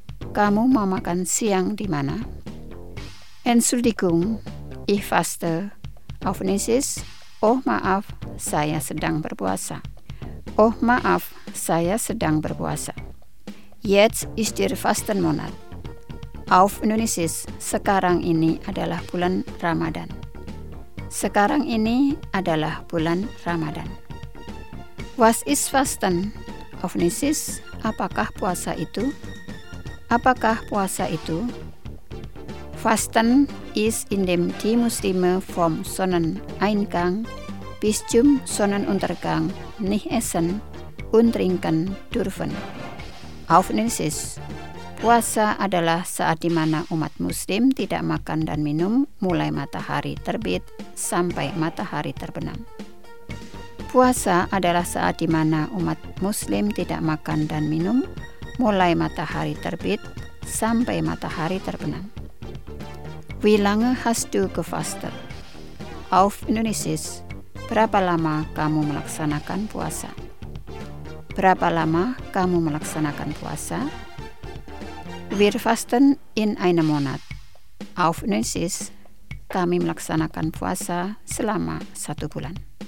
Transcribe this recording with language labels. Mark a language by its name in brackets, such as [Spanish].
[Indonesian] Kamu mau makan siang di mana? [German] Entschuldigung, ich faste. Auf Indonesisch, [Indonesian] oh maaf, saya sedang berpuasa. Oh maaf, saya sedang berpuasa. [German] Jetzt ist der Fastenmonat. Auf Indonesisch, [Indonesian] sekarang ini adalah bulan Ramadan. Sekarang ini adalah bulan Ramadan. [German] Was ist Fasten? Auf Indonesisch, [Indonesian] apakah puasa itu? Apakah puasa itu? [German] Fasten ist in dem die Muslime vom Sonneneingang bis zum Sonnenuntergang nicht essen und trinken dürfen. Auf Indonesisch, [Indonesian] puasa adalah saat di mana umat muslim tidak makan dan minum mulai matahari terbit sampai matahari terbenam. Puasa adalah saat di mana umat muslim tidak makan dan minum mulai matahari terbit sampai matahari terbenam. [German] Wie lange hast du gefastet? Auf Indonesisch, [Indonesian] berapa lama kamu melaksanakan puasa? Berapa lama kamu melaksanakan puasa? [German] Wir fasten in einem Monat. Auf Nisis, [Indonesian] kami melaksanakan puasa selama satu bulan.